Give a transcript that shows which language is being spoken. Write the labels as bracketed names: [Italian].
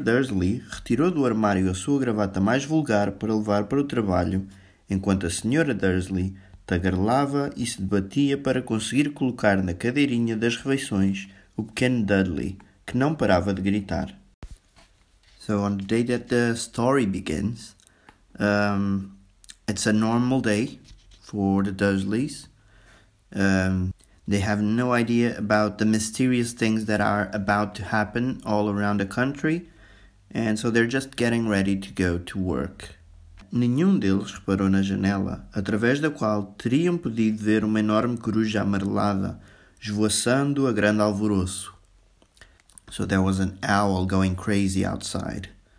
[Portuguese] Dursley retirou do armário a sua gravata mais vulgar para levar para o trabalho, enquanto a Sra. Dursley tagarelava e se debatia para conseguir colocar na cadeirinha das refeições o pequeno Dudley, que não parava de gritar. [English] So on the day that the story begins, it's a normal day for the Dursleys. They have no idea about the mysterious things that are about to happen all around the country, and so they're just getting ready to go to work. [Portuguese] Nenhum deles reparou na janela, através da qual teriam podido ver uma enorme coruja amarelada, esvoaçando a grande alvoroço. [English] So there was an owl going crazy outside.